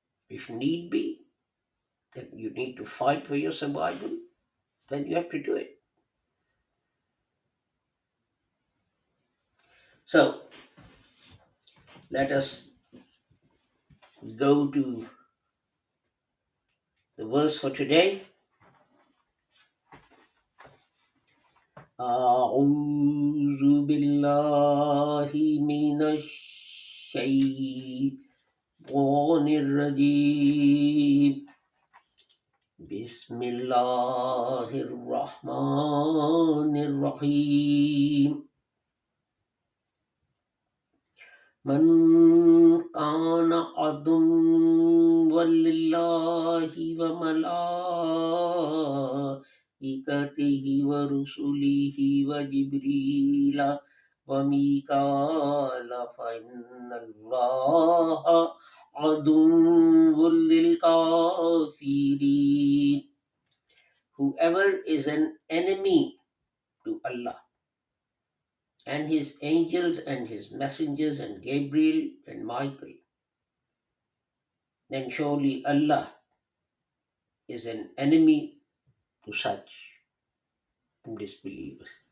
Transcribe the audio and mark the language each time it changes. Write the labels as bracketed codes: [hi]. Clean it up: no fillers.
[en] If need be, that you need to fight for your survival, then you have to do it. So, let us go to the verse for today. [ar] أعوذ بالله من الشيطان الرجيم بسم الله الرحمن الرحيم من كان عدوا لله وملائكته ورسله وجبريل وميكال فإن الله عدو للكافرين. [en] Whoever is an enemy to Allah and His angels and His messengers and Gabriel and Michael, then surely Allah is an enemy to such disbelievers.